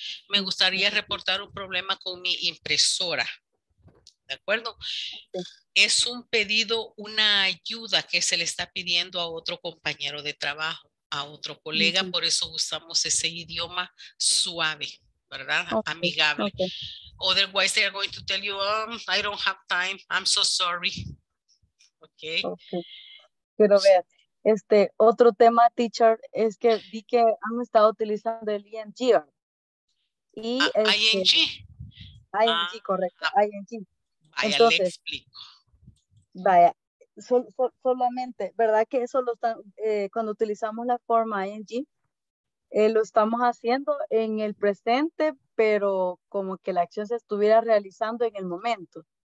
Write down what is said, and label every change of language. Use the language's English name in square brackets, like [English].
[Spanish] Me gustaría reportar un problema con mi impresora. ¿De acuerdo? Es un pedido, una ayuda que se le está pidiendo a otro compañero de trabajo, a otro colega. Por eso usamos ese idioma suave, ¿verdad? Okay. Amigable. Okay. [English] Otherwise, they are going to tell you, I don't have time. I'm so sorry. Okay. [Spanish] Pero vea, este otro tema, teacher, es que vi que han estado utilizando el ING. Y ING. ING, correcto. ING. Vaya, entonces, le explico. Vaya, solamente, ¿verdad que eso lo están, cuando utilizamos la forma ING, lo estamos haciendo en el presente, pero como que la acción se estuviera realizando en el momento?